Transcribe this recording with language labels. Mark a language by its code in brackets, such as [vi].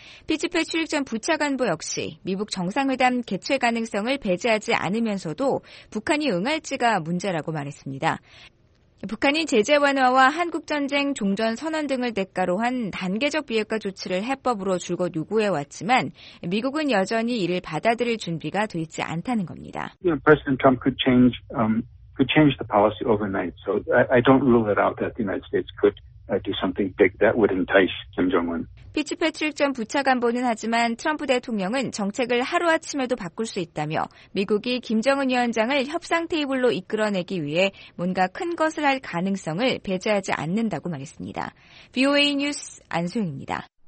[ko] 피치페 출입 전 부차관보 역시 미국 정상회담 개최 가능성을 배제하지 않으면서도 북한이 응할지가 문제라고 말했습니다. 북한이 제재 완화와 한국전쟁 종전 선언 등을 대가로 한 단계적 비핵화 조치를 해법으로 줄곧 요구해왔지만 미국은 여전히 이를 받아들일 준비가 돼 있지 않다는 겁니다. [en] President Trump could change the policy overnight. So I don't rule it out that the United States could do something big that would entice Kim Jong-un. [ko] 피치 패트릭 전 부차관보는 하지만 트럼프 대통령은 정책을 하루아침에도 바꿀 수 있다며 미국이 김정은 위원장을 협상 테이블로 이끌어내기 위해 뭔가 큰 것을 할 가능성을 배제하지 않는다고 말했습니다. VOA 뉴스 안소영입니다.